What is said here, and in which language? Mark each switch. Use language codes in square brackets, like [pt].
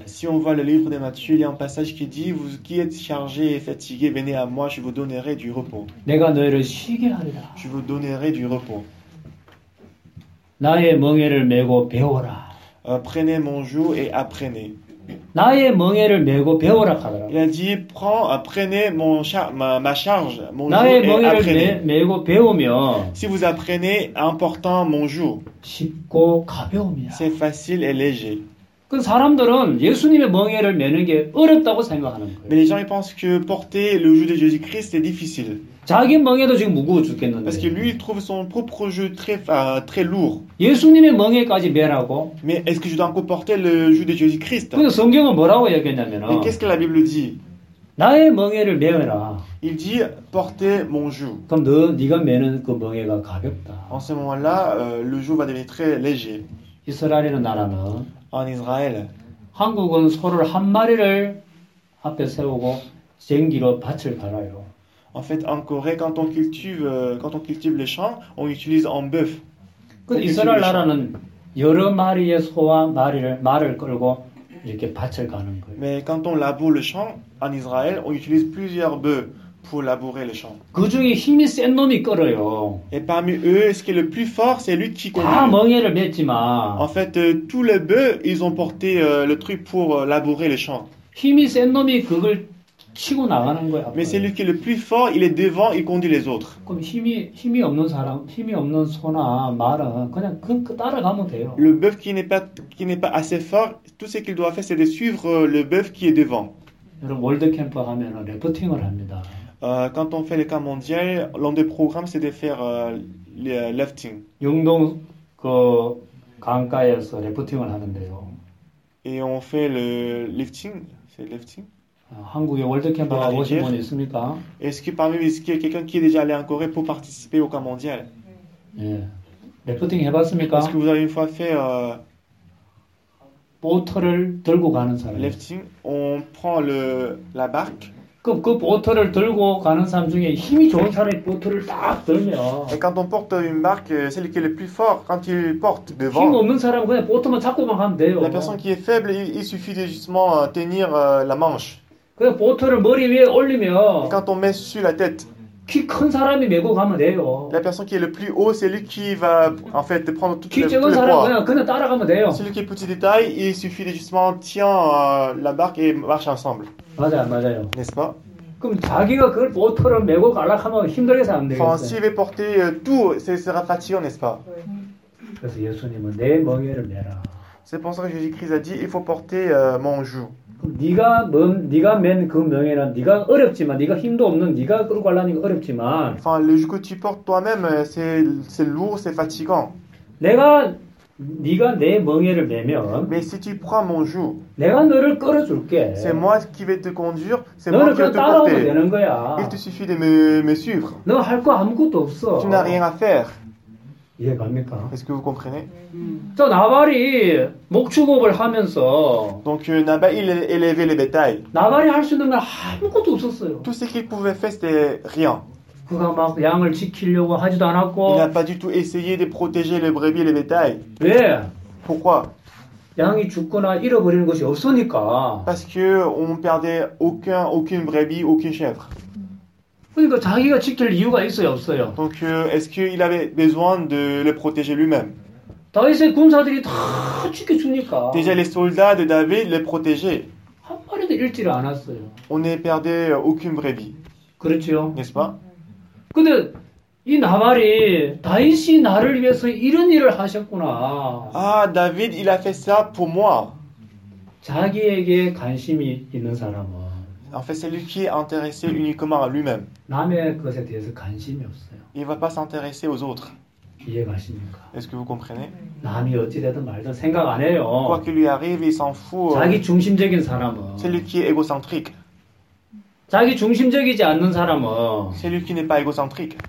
[fr] Si on voit le livre de Matthieu, il y a un passage qui dit vous qui êtes chargés et fatigués, venez à moi, je vous donnerai du repos. [ko] 내가 너희를 쉬게 하리라. [fr] Je vous donnerai du repos. [ko] 나의 멍에를 메고 배워라. [fr] Prenez mon joug et apprenez. [ko] 나의 멍에를 메고 배워라 하더라. [fr] Il a dit prenez mon ma charge, mon joug. [ko] 나의 멍에를 메고 배우면 [fr] Si vous apprenez important mon joug. [ko] 쉽고 가벼움이야. [fr] C'est facile et léger. [ko] 그 사람들은 예수님의 멍에를 메는 게 어렵다고 생각하는 거예요. [fr] Mais les gens ils pensent que porter le joug de Jésus-Christ est difficile. [ko] 자기 멍에도 지금 무거워 죽겠는데. [fr] Parce que lui il trouve son propre joug très lourd. [ko] 예수님의 멍에까지 메라고? [fr] Mais est-ce que je dois encore porter le joug de Jésus-Christ? [ko] 근데 성경은 뭐라고 얘기했냐면 [fr] Mais qu'est-ce que la Bible dit? [ko] 나의 멍에를 메어라. [fr] Il dit portez mon joug. [ko] 그럼 너 네가 메는 그 멍에가 가볍다. [fr] En ce moment-là, le joug va devenir très léger. [ko] 이스라엘이라는 나라는 [fr] En Israël, [ko] 한국은 소를 한 마리를 앞에 세우고 쟁기로 밭을 갈아요. [fr] En fait, en Corée, quand on cultive les champs, on utilise un bœuf. [ko] 그 이스라엘 나라는 여러 마리의 소와 말을 끌고 이렇게 밭을 가는 거예요. [fr] Mais quand on laboure le champ en Israël, on utilise plusieurs bœufs pour labourer le champ. [ko] 그 중에 힘이 센 놈이 끌어요. [fr] Et parmi eux, ce qui est le plus fort, c'est lui qui conduit. [ko] 다 멍에를 맸지만. [fr] En fait, tous les bœufs, ils ont porté le truc pour labourer le champ. [ko] 힘이 센 놈이 그걸 치고 나가는 거야. [fr] Mais c'est lui qui est le plus fort, il est devant, il conduit les autres. [ko] 그럼 힘이 없는 사람, 힘이 없는 소나 말은 그냥 그 따라가면 돼요. [fr] Le bœuf qui n'est pas assez fort, tout ce qu'il doit faire c'est de suivre le bœuf qui est devant. [ko] 여러분 월드 캠프 하면은 래프팅을 합니다. [fr] Quand on fait le camp mondial, l'un des programmes c'est de faire le lifting. [ko] 용동 그 강가에서 래프팅을 하는데요. [fr] Et on fait le lifting, c'est lifting. [ko] 한국에 월드 캠프 가 보신 분 있습니까? [fr] Est-ce que parmi vous il y a quelqu'un qui est déjà allé en Corée pour participer au camp mondial? [ko] 예. 래프팅 해 봤습니까? [fr] Est-ce que vous avez une fois fait [ko] 보트를 들고 가는 사람? [fr] Lifting, on prend la barque. [ko] 그 보트를 들고 가는 사람 중에 힘이 좋은 사람이 보트를 딱 들면 [fr] Et quand on porte une barque, c'est lui qui est le plus fort quand il porte devant. [ko] 힘 없는 사람은 그냥 보트만 잡고만 가면 돼요. [fr] La personne qui est faible, il suffit de justement tenir la manche. [ko] 그 보트를 머리 위에 올리면 [fr] Et quand on met sur la tête, [ko] 키 큰 사람이 메고 가면 돼요. [fr] La personne qui est le plus haut, c'est lui qui va en fait prendre tout le poids. [ko] 키 작은 사람은 그냥 따라가면 돼요. [fr] Celui qui est petit de taille, il suffit de justement tient la barque et marche ensemble. [ko] 맞아요. [fr] N'est-ce pas? [ko] 그럼 자기가 그 보트를 메고 가려고 하면 힘들게 사면 되겠어요. [fr] Enfin, s'il veut porter tout, ce sera fatigant, n'est-ce pas? [ko] 그래서 예수님은 내 멍에를 메라. [fr] C'est pour ça que Jésus-Christ a dit, il faut porter mon joug. [ko] 네가 맨 그 명예는 네가 어렵지만 네가 힘도 없는 네가 끌고 가려니까 어렵지만 [fr] Enfin, le joug que tu portes toi-même, c'est lourd, c'est fatigant. [ko] 네가 내 멍에를 메면 [fr] Mais si tu prends mon joug, [ko] 내가 너를 끌어줄게. [fr] C'est moi qui vais te conduire, c'est moi qui vais te porter. [ko] 너를 따라오면 되는 거야. [fr] Il te suffit de me suivre. [ko] 너 할 거 아무것도 없어. [fr] Tu n'as rien à faire. [ko] 이해갑니까? [fr] Est-ce que vous comprenez? [ko] 저 나발이 목축업을 하면서 [fr] Donc Nabal il élevait le bétail. [ko] 나발이 할 수 있는 건 아무것도 없었어요. [fr] Tout ce qu'il pouvait faire c'était rien. [ko] 그가 막 양을 지키려고 하지도 않았고 [fr] Il n'a pas du tout essayé de protéger les brebis et les bétails. [ko] 왜? [fr] Pourquoi? [ko] 양이 죽거나 잃어버리는 것이 없으니까. [fr] Parce qu'on perdait aucune brebis, aucune chèvre. [ko] 그러니까 자기가 지킬 이유가 있어요 없어요. [fr] Donc est-ce qu'il avait besoin de le protéger lui-même? [ko] 다윗의 군사들이 다 지켜주니까. [fr] Déjà les soldats de David le protégeaient. [ko] 한 마리도 잃지를 않았어요. [fr] On n'a perdu aucune brebis. [ko] 그렇죠. [fr] N'est-ce pas? [ko] 근데 이 나발이 다윗이 나를 위해서 이런 일을 하셨구나. [fr] Ah David il a fait ça pour moi. [ko] 자기에게 관심이 있는 사람은. [fr] En fait, c'est lui qui est intéressé uniquement à lui-même. Il ne va pas s'intéresser aux autres. Est-ce que vous comprenez? Quoi qu'il lui arrive, il s'en fout. C'est lui qui est égocentrique. C'est lui qui n'est pas égocentrique.